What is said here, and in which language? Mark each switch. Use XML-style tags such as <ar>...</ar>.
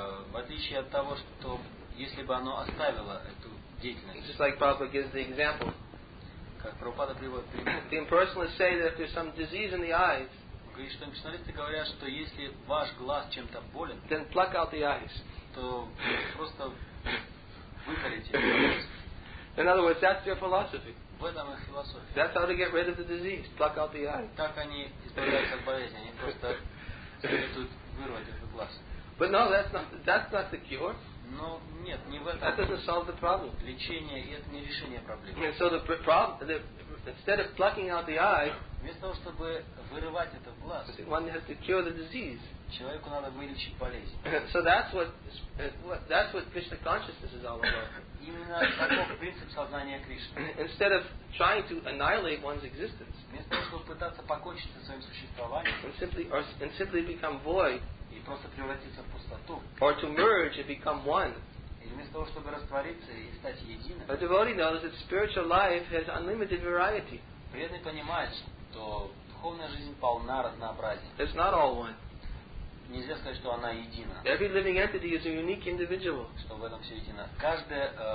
<ru>В отличие от того, что если бы оно оставило эту деятельность.</ru> <en>Just like Prabhupada gives the example. The impersonalists say that if there's some disease in the eyes,</en> <ru>Кришналисты говорят, что если ваш глаз чем-то болен,</ru> <en>then pluck out the eyes.</en> <ru>То просто выколите.</ru> <en>In other words, that's their philosophy.</en> <ru>В этом их философия.</ru> <en>That's how they get rid of the disease. Pluck out the eyes.</en> <ru>Так они избавляются от болезни. Они просто советуют вырвать этот глаз.</ru> <en>But no, that's not the cure.</en> <ru>Но нет, не в этом.</ru> <en>That doesn't solve the problem.</en> <ru>Лечение – это не решение проблемы.</ru> <en>And so instead of plucking out the eye,</en> <ru>вместо того, чтобы вырывать этот глаз,</ru> <en>one has to cure the disease.</en> <ru>Человеку надо вылечить болезнь.</ru> <en>So that's what Krishna consciousness is all about.</en> <ru>Именно таков принцип сознания Кришны.</ru> <en>Instead of trying to annihilate one's existence,</en> <ru>вместо того, чтобы пытаться покончить со своим существованием,</ru> <en>and simply become void,</en> <ru>и просто превратиться в пустоту.</ru> <en>Or to merge and become one.</en> <ru>Или вместо того, чтобы раствориться и стать единым.</ru> <en>A devotee knows that spiritual life has unlimited variety.</en> <ru>Преданный понимает, что духовная жизнь полна разнообразия.</ru> <en>It's not all one.</en> <ru>Нельзя сказать, что она едина.</ru> <en>Every living entity is a unique individual.</en> <ru>Что в этом все едино. Каждое,</ru>